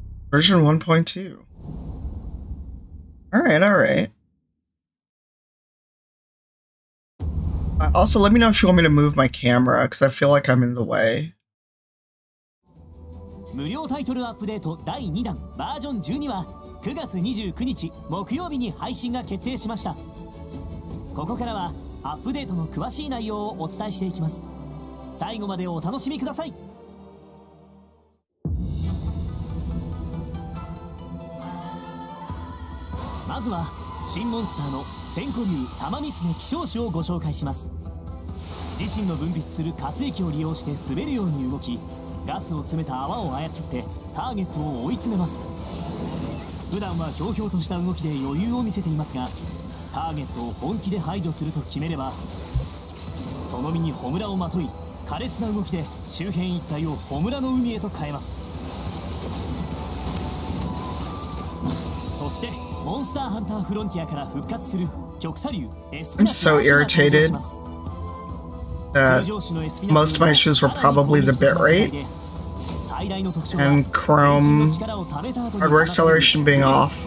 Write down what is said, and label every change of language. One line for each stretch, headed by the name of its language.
English: Version 1.2. All right. Also, let me know if you want me to move my camera, because I feel like I'm in the way.
Japanese: 無料タイトルアップデート第2弾バージョン12は9月29日木曜日に配信が決定しました。ここからはアップデートの詳しい内容をお伝えしていきます。最後までお楽しみください。まずは新モンスターの千古竜玉三つ希少種をご紹介します。自身の分泌する活液を利用して滑るように動き、ガスを詰めた泡を操ってターゲットを追い詰めます。普段はひょうひょうとした動きで余裕を見せていますが、ターゲットを本気で排除すると決めればその身に炎をまとい、苛烈な動きで周辺一帯を炎の海へと変えます。そしてモンスターハンターフロンティアから復活する極左流エスピナスが登場します。
English: Most of my issues were probably the bitrate and Chrome hardware acceleration being off.